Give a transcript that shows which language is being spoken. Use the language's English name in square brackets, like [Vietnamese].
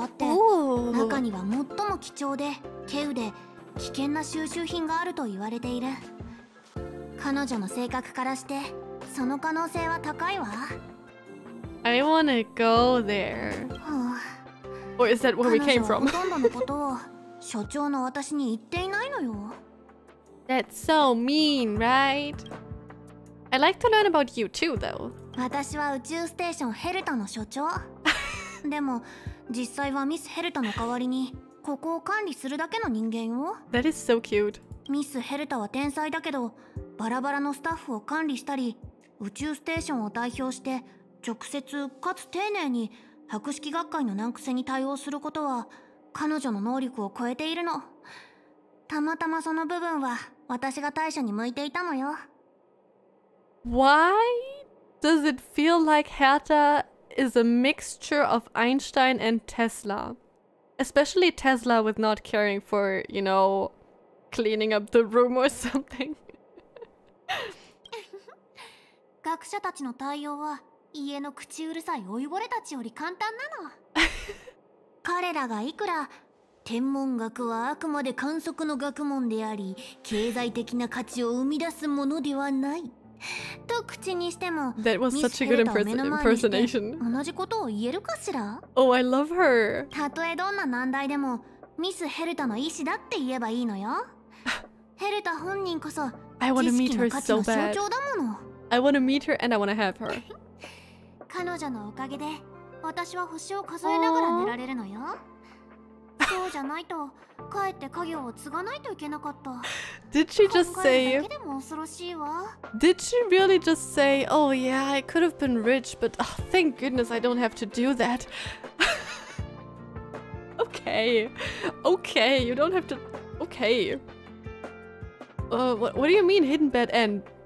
[Japanese] 今私たちがいるのは主制御部分で、宇宙ステーションの制御中枢よ。このステーションにはミスヘルタのプライベートルームがあって、中には最も貴重で、ケウで、 危険な収集品があると言われている。彼女の性格からして、その可能性は高いわ。 [English] I wanna go there. Or is that where we came from? [Japanese] 彼女はほとんどのことを所長の私に言っていないのよ。 [English] That's so mean, right? I like to learn about you too, though. [Japanese] 私は宇宙ステーションヘルタの所長。でも、実際はミスヘルタの代わりに。ここを管理するだけの人間よ。 [English] That is so cute. [Japanese] ミスヘルタは天才だけど、バラバラのスタッフを管理したり、宇宙ステーションを代表して直接かつ丁寧に博識学会の難癖に対応することは彼女の能力を超えているの。たまたまその部分は私が対処に向いていたのよ。 [English] Why does it feel like Hertha is a mixture of Einstein and Tesla? Especially Tesla with not caring for, you know, cleaning up the room or something. [Japanese] 学者たちの対応は家の口うるさい老いぼれたちより簡単なの。彼らがいくら天文学はあくまで観測の学問であり、経済的な価値を生み出すものではないと口にしても、 [English] That was such a good impersonation. [Japanese] 同じことを言えるかしら? [English] Oh, I love her. [Japanese] たとえどんな難題でも、ミス・ヘルタの意思だって言えばいいのよ。ヘルタ本人こそ、 [English] I wanna meet her so bad. I wanna meet her and I wanna have her. [Japanese] 彼女のおかげで、私は星を数えながら寝られるのよ。そうじゃないと、かえって家業を継がないといけなかった。 [English] Did she just say? [Japanese] 考えるだけでも恐ろしいわ。 [English] Did she really just say, oh yeah, I could have been rich, but oh, thank goodness I don't have to do that. Okay. Okay, you don't have to... Okay. What do you mean hidden bed end?